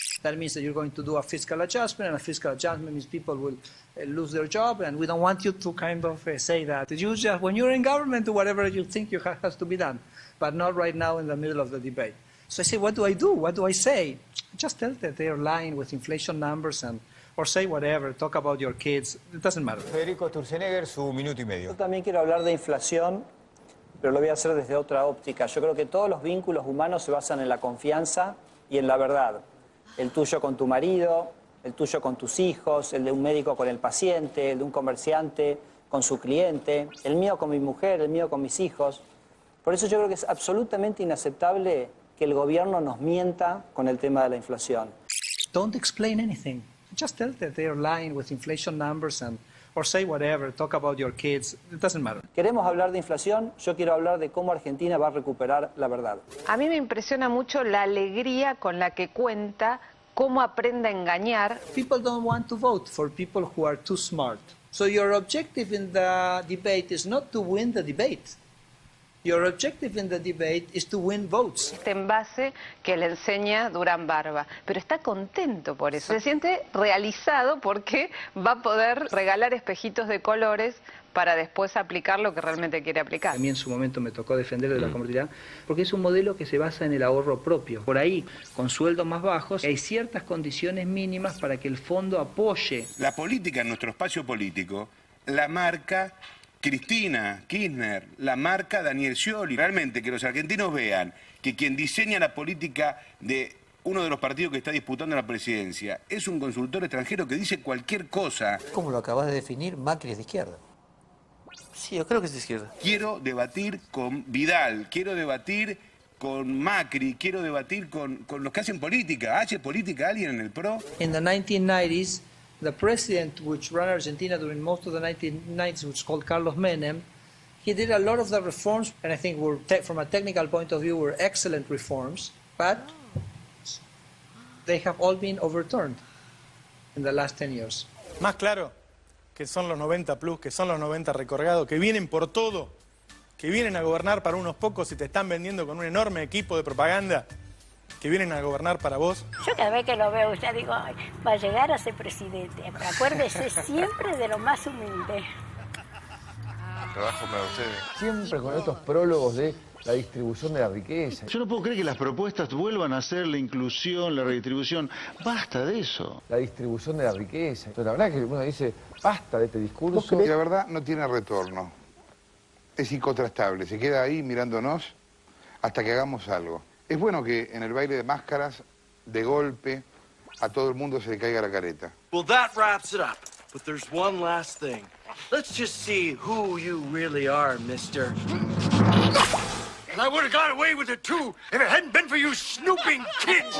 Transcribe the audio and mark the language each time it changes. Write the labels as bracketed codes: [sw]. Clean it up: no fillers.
[en] That means that you're going to do a fiscal adjustment, and a fiscal adjustment means people will lose their job, and we don't want you to kind of say that. You just, when you're in government, do whatever you think you has to be done, but not right now in the middle of the debate. So I say, what do I do? What do I say? Just tell that they're lying with inflation numbers, and or say whatever, talk about your kids. It doesn't matter. [es] Federico Sturzenegger, su minuto y medio. Yo también quiero hablar de inflación, pero lo voy a hacer desde otra óptica. Yo creo que todos los vínculos humanos se basan en la confianza y en la verdad. El tuyo con tu marido, el tuyo con tus hijos, el de un médico con el paciente, el de un comerciante con su cliente, el mío con mi mujer, el mío con mis hijos. Por eso yo creo que es absolutamente inaceptable que el gobierno nos mienta con el tema de la inflación. [en] Don't explain anything. Just tell that they're lying with inflation numbers and or say whatever, talk about your kids, it doesn't matter. [es] Queremos hablar de inflación, yo quiero hablar de cómo Argentina va a recuperar la verdad. A mí me impresiona mucho la alegría con la que cuenta cómo aprende a engañar. [en] People don't want to vote for people who are too smart. So your objective in the debate is not to win the debate. Your objective in the debate is to win votes. [es] Este envase que le enseña Durán Barba, pero está contento por eso. Se siente realizado porque va a poder regalar espejitos de colores para después aplicar lo que realmente quiere aplicar. A mí en su momento me tocó defender de la comodidad, porque es un modelo que se basa en el ahorro propio. Por ahí, con sueldos más bajos, hay ciertas condiciones mínimas para que el fondo apoye. La política en nuestro espacio político la marca Cristina Kirchner, la marca Daniel Scioli. Realmente que los argentinos vean que quien diseña la política de uno de los partidos que está disputando la presidencia es un consultor extranjero que dice cualquier cosa. ¿Cómo lo acabas de definir? Macri es de izquierda. Sí, yo creo que es de izquierda. Quiero debatir con Vidal, quiero debatir con Macri, quiero debatir con los que hacen política. ¿Hace política alguien en el PRO? [en] In the 1990s, the president which ran Argentina during most of the 1990s, which was called Carlos Menem, he did a lot of the reforms, and I think were from a technical point of view were excellent reforms, but they have all been overturned in the last 10 years. [es] Más claro que son los 90 plus, que son los 90 recorgados, que vienen por todo, que vienen a gobernar para unos pocos y te están vendiendo con un enorme equipo de propaganda. Que vienen a gobernar para vos. Yo cada vez que lo veo, ya digo, ay, va a llegar a ser presidente. Acuérdese siempre de lo más humilde. Trabajo para ustedes. Siempre con estos prólogos de la distribución de la riqueza. Yo no puedo creer que las propuestas vuelvan a ser la inclusión, la redistribución. Basta de eso. La distribución de la riqueza. Entonces, la verdad es que uno dice, basta de este discurso. Y la verdad no tiene retorno. Es incontrastable. Se queda ahí mirándonos hasta que hagamos algo. Es bueno que en el baile de máscaras, de golpe, a todo el mundo se le caiga la careta. [en] Well, that wraps it up. But there's one last thing. Let's just see who you really are, mister. And I would have got away with it, too, if it hadn't been for you snooping kids.